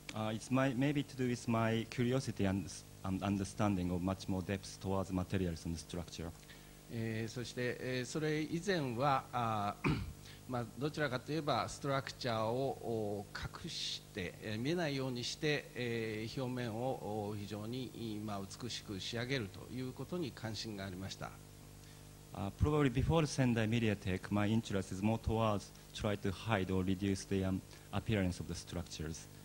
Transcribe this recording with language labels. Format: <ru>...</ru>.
<en>It's my, maybe to do with my curiosity and understanding of much more depth towards materials and structure.</en> <ja>そして、それ以前は、まあ、どちらかといえばストラクチャーを隠して、見えないようにして、表面を非常に、まあ、美しく仕上げるということに関心がありました。</ja> <en>Probably before the Sendai MediaTek, my interest is more towards try to hide or reduce the appearance of the structures.</en>